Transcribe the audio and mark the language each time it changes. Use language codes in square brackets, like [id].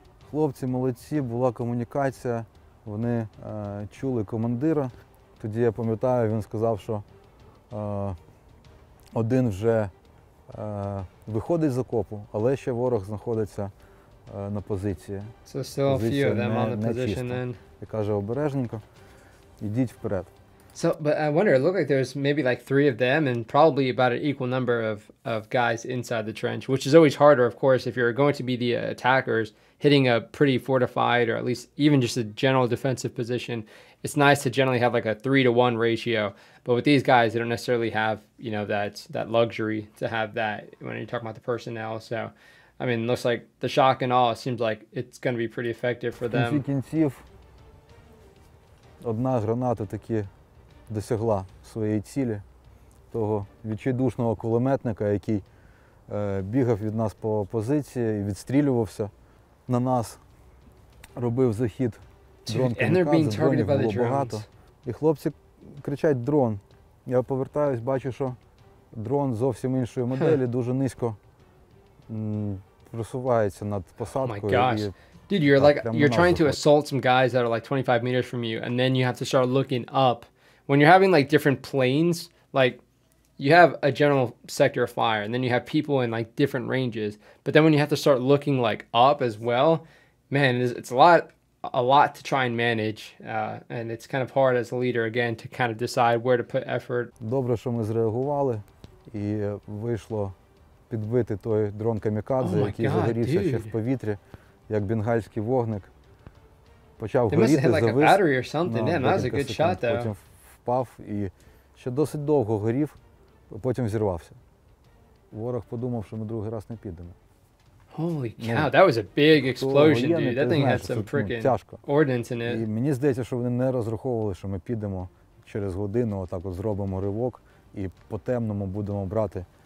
[uk] Хлопці молодці, була комунікація, вони чули командира. Тоді я пам'ятаю, він сказав, що один вже виходить з окопу, але ще ворог знаходиться на позиції. [en] So still a few of them on the position then. [uk] І каже обережненько, йдіть вперед. [en] So, but I wonder, it looked like there's maybe like three of them and probably about an equal number of guys inside the trench, which is always harder, of course, if you're going to be the attackers hitting a pretty fortified or at least even just a general defensive position. It's nice to generally have like a 3-1 ratio, but with these guys, they don't necessarily have, you know, that luxury to have that when you're talking about the personnel, so... I mean, looks like the shock and all, it seems like it's going to be pretty effective for them. [uk] В кінці кінців, одна граната таки досягла своєї цілі, того відчайдушного кулеметника, який бігав від нас по позиції і відстрілювався на нас, робив захід дрон-камікадзе, дронів було багато. І хлопці кричать «дрон». Я повертаюсь, бачу, що дрон зовсім іншої моделі, дуже низько. Просувається над посадкою. [en] Oh my gosh. Dude, you're like, you're trying to assault some guys that are like 25 meters from you, and then you have to start looking up. When you're having like different planes, like you have a general sector of fire, and then you have people in like different ranges. But then when you have to start looking like up as well, man, it's a lot to try and manage. And it's kind of hard as a leader, again, to kind of decide where to put effort. [uk] Добре, що ми зреагували, і вийшло підбити той дрон камікадзе, oh який загорівся, [en] dude, [uk] ще в повітрі, як бенгальський вогник. Почав горіти, завис. [en] Like battery or something. Yeah, that was a good shot though. [uk] Потім впав і ще досить довго горів, потім взірвався. Ворог подумав, що ми другий раз не підемо. [en] Holy cow, ну, that was a big explosion, dude. That thing had some freaking ordnance in it. [uk] І мені здається, що вони не розраховували, що ми підемо через годину, отак от зробимо ривок і по темному будемо брати.